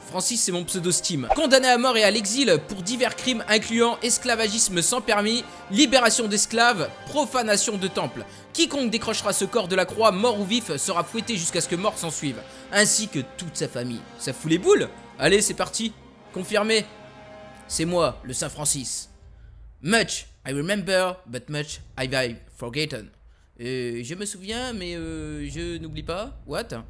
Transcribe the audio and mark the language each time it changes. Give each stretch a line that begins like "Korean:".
French: Francis c'est mon pseudo Steam. Condamné à mort et à l'exil pour divers crimes incluant esclavagisme sans permis, libération d'esclaves, profanation de temples. Quiconque décrochera ce corps de la croix, mort ou vif, sera fouetté jusqu'à ce que mort s'en suive. Ainsi que toute sa famille. Ça fout les boules. Allez, c'est parti. Confirmé. C'est moi, le Saint Francis.
English: Much I remember, but much have I forgotten.
French: Je me souviens, mais je n'oublie pas.
English: What?